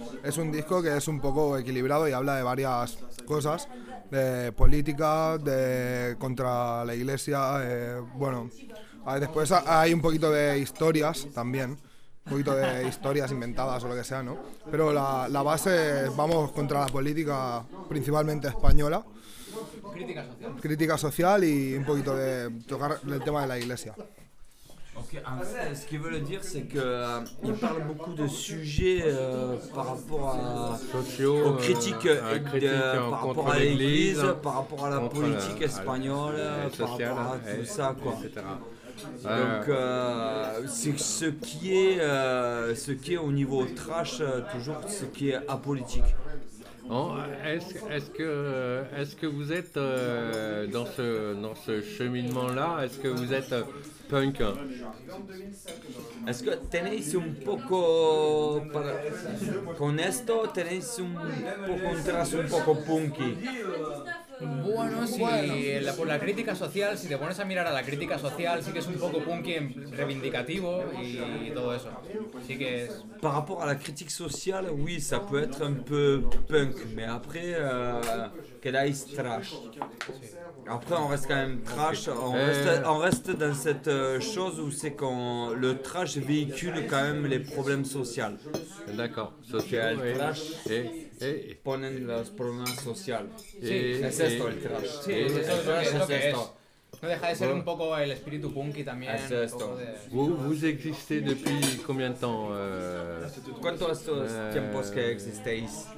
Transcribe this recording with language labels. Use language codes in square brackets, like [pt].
[es] Es un disco que es un poco equilibrado y habla de varias cosas, de política, de contra la iglesia, bueno, después hay un poquito de historias también. Un poquito de historias inventadas o lo que sea, ¿no? Pero la base es, vamos contra la política principalmente española. Crítica social. Crítica social y un poquito de tocar el tema de la iglesia. Okay. [fr] En fait, ce qu'il veut dire, c'est qu'il parle beaucoup de sujets par rapport à, sociaux, aux critiques, critique par rapport à l'Église, par rapport à la politique la, espagnole, par rapport à tout et, ça, quoi. Etc. Donc, c'est ce qui est au niveau trash, toujours ce qui est apolitique. Oh, est-ce que vous êtes dans ce cheminement-là? Est-ce que vous êtes punk? Est-ce que [es] tenéis un poco para, con esto? Tenéis un trazo un poco punky? Bueno, si por la crítica social, si te pones a mirar a la crítica social, sí que es un poco punky, reivindicativo y todo eso. Sí que es. [fr] Par rapport a [es] la crítica social, [fr] oui, ça peut être un peu punk, mais après, [es] queréis [fr] trash. Après, on reste quand même trash, on reste dans cette chose où c'est quand le trash véhicule quand même les problèmes sociaux. D'accord, social. Et trash. [es] Ponen los problemas sociales. Sí, es esto el trash. No deja de ser un poco el espíritu punky también. Es esto. ¿Vos existís desde [fr] combien de [es] tiempo? ¿Cuántos tiempos que existéis?